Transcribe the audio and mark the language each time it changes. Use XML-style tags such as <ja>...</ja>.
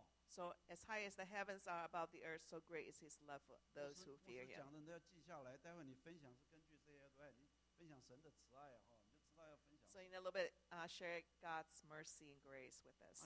<en>So as high as the heavens are above the earth, so great is his love for those who fear him.</en> <zh>讲的都要记下来, 待会你分享是根据这些, 对, 你分享神的慈爱, 哦, 你就知道要分享。</zh> <en>So in a little bit, share God's mercy and grace with us.</en>